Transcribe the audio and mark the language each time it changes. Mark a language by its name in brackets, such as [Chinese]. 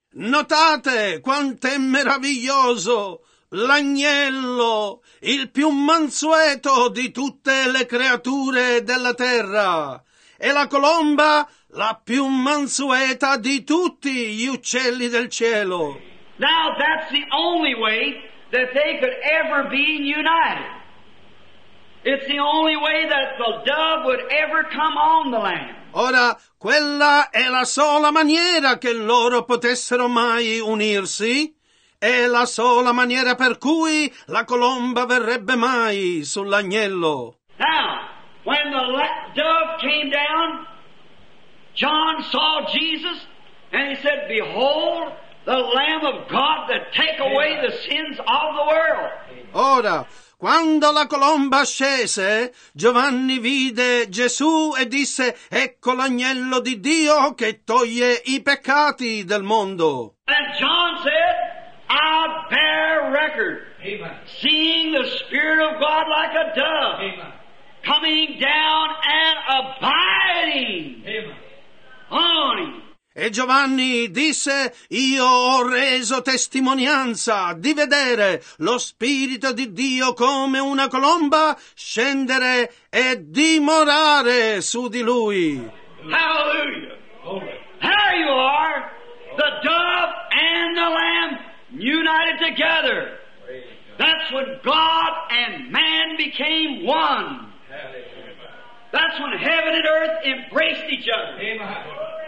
[Italian] Notate quant'è meraviglioso l'agnello, il più mansueto di tutte le creature della terra, e la colomba, la più mansueta di tutti gli uccelli del cielo. [English] Now that's the only way that they could ever be united. It's the only way that the dove would ever come on the lamb. [Italian] Ora, quella è la sola maniera che loro potessero mai unirsi. È la sola maniera per cui la colomba verrebbe mai sull'agnello. [English] Now, when the dove came down, John saw Jesus, and he said, "Behold, the Lamb of God that take away the sins of the world." [Italian] Ora, quando la colomba scese, Giovanni vide Gesù e disse, "Ecco l'agnello di Dio che toglie i peccati del mondo." [English] And John said, "I bear record, amen, seeing the Spirit of God like a dove, amen, coming down and abiding, amen, on him." [Italian] E Giovanni disse: io ho reso testimonianza di vedere lo Spirito di Dio come una colomba scendere e dimorare su di lui. [English] Hallelujah! There you are, the dove and the lamb united together. That's when God and man became one. That's when heaven and earth embraced each other.